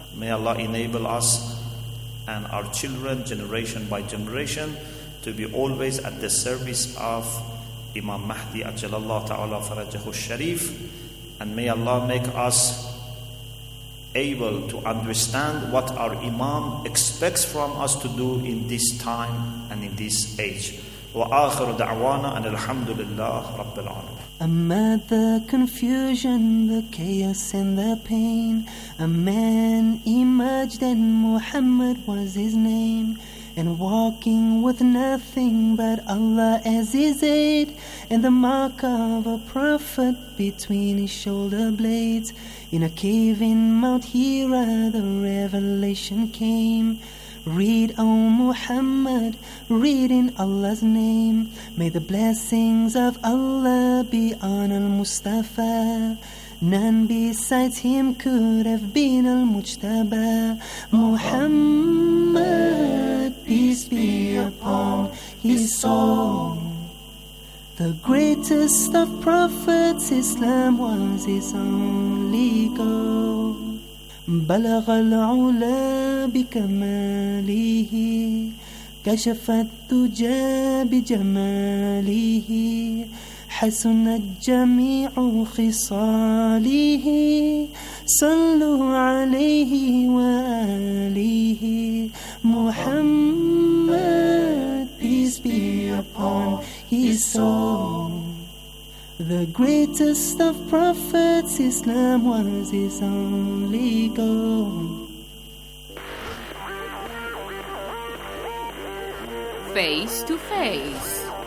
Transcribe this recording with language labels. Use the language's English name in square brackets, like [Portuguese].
[English] May Allah enable us and our children, generation by generation, to be always at the service of Imam Mahdi Ajjalallahu Ta'ala Farajahu Sharif. And may Allah make us able to understand what our Imam expects from us to do in this time and in this age. [Arabic] وآخر دعوانا أن الحمد لله رب العالمين. [English] Amid the confusion, the chaos and the pain, a man emerged and Muhammad was his name. And walking with nothing but Allah as his aid, and the mark of a prophet between his shoulder blades. In a cave in Mount Hira the revelation came. Read, O Muhammad, read in Allah's name. May the blessings of Allah be on al-Mustafa. None besides him could have been al-Mujtaba. Muhammad, peace be upon his soul. The greatest of prophets, Islam was his only goal. [Arabic] بلغ العلا بكماله كشف الدجى بجماله حسن الجميع خصاله صلوا عليه وآله محمد [English] peace be upon his soul. The greatest of prophets, Islam was his only goal. Face to face.